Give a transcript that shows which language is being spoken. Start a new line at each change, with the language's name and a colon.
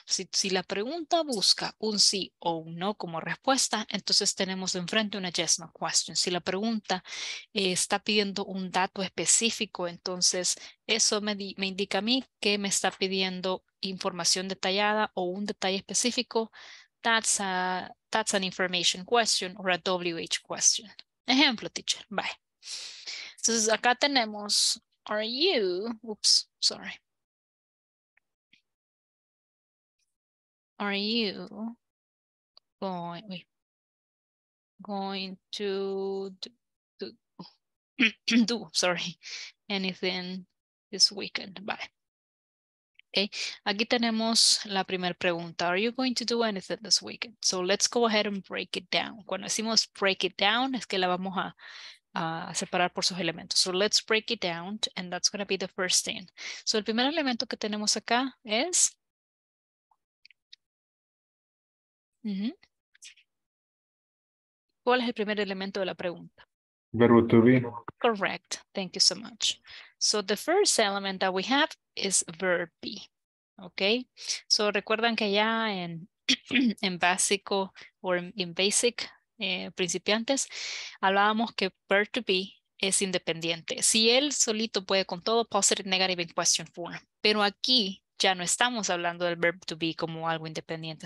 Spanish: Si la pregunta busca un sí o un no como respuesta, entonces tenemos enfrente una yes, no question. Si la pregunta está pidiendo un dato específico, entonces eso me indica a mí que me está pidiendo información detallada o un detalle específico.
English: That's an information question or a WH question. Ejemplo, teacher. Bye.
Spanish: Entonces acá tenemos,
English: are you, oops, sorry. Are you going to do anything this weekend? Bye. Okay.
Spanish: Aquí tenemos la primera pregunta.
English: Are you going to do anything this weekend? So let's go ahead and break it down.
Spanish: Cuando decimos break it down, es que la vamos a separar por sus elementos.
English: So let's break it down, and that's going to be the first thing.
Spanish: So el primer elemento que tenemos acá es... Mm-hmm. ¿Cuál es el primer elemento de la pregunta? Verbo to be.
English: Correct. Thank you so much. So the first element that we have is verb be. Okay.
Spanish: So recuerdan que ya en básico o en basic principiantes hablábamos que verb to be es independiente. Si él solito puede con todo, positive, negative, in question form. Pero aquí ya no estamos hablando del verb to be como algo independiente.